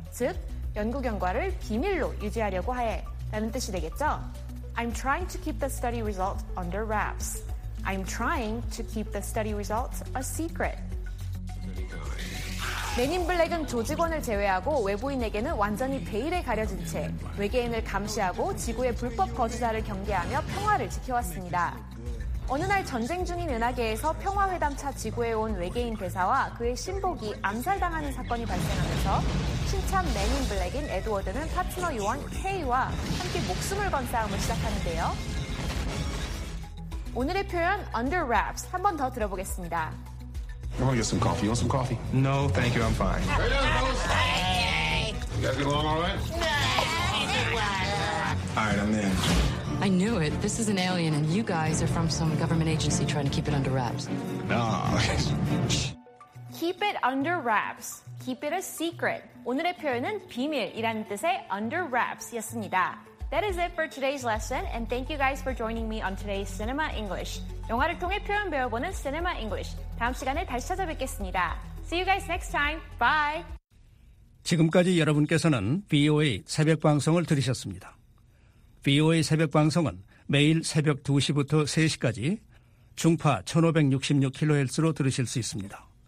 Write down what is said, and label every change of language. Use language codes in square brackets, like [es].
[ko] 즉, 연구 결과를 비밀로 유지하려고 해. 라는 뜻이 되겠죠? [en] I'm trying to keep the study results under wraps. I'm trying to keep the study results a secret. [ko] 맨인 블랙은 조직원을 제외하고 외부인에게는 완전히 베일에 가려진 채 외계인을 감시하고 지구의 불법 거주자를 경계하며 평화를 지켜왔습니다. 어느 날 전쟁 중인 은하계에서 평화회담차 지구에 온 외계인 대사와 그의 신복이 암살당하는 사건이 발생하면서 신참 맨인 블랙인 에드워드는 파트너 요원 K와 함께 목숨을 건 싸움을 시작하는데요. 오늘의 표현 Under Wraps 한 번 더 들어보겠습니다. [en] I'm gonna get some coffee. You want some coffee? No, thank you. I'm fine. Hey, you guys get along all right? No. All right, I'm in. I knew it. This is an alien, and you guys are from some government agency trying to keep it under wraps. Keep it under wraps. Keep it a secret. [ko] 오늘의 표현은 비밀이라는 뜻의 under wraps였습니다. [en] That is it for today's lesson, and thank you guys for joining me on today's Cinema English. [ko] 영화를 통해 표현 배워보는 Cinema English. 다음 시간에 다시 찾아뵙겠습니다. [en] See you guys next time. Bye. [ko] 지금까지 여러분께서는 VOA 새벽 방송을 들으셨습니다. VOA 새벽 방송은 매일 새벽 2시부터 3시까지 중파 1566kHz로 들으실 수 있습니다.